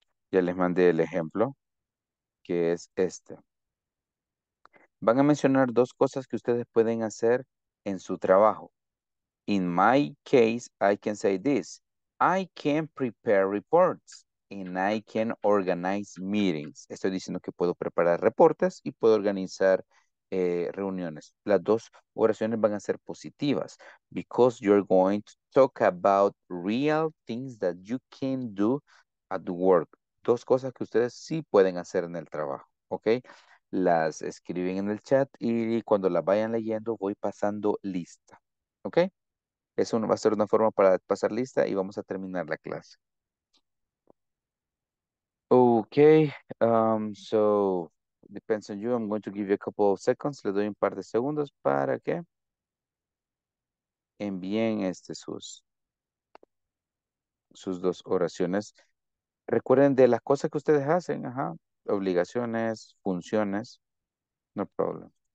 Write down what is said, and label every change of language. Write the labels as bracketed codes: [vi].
[es] Ya les mandé el ejemplo, que es este. Van a mencionar dos cosas que ustedes pueden hacer en su trabajo. [en] In my case, I can say this. I can prepare reports and I can organize meetings. [es] Estoy diciendo que puedo preparar reportes y puedo organizar reuniones. Las dos oraciones van a ser positivas [en] because you're going to talk about real things that you can do at work. [es] Dos cosas que ustedes sí pueden hacer en el trabajo. ¿ok? Las escriben en el chat y cuando las vayan leyendo voy pasando lista, ¿ok? Eso va a ser una forma para pasar lista y vamos a terminar la clase. [en] Okay, so depends on you. I'm going to give you a couple of seconds. [es] Le doy un par de segundos para que envíen sus dos oraciones. Recuerden de las cosas que ustedes hacen, ajá, obligaciones, funciones, [en] no problem.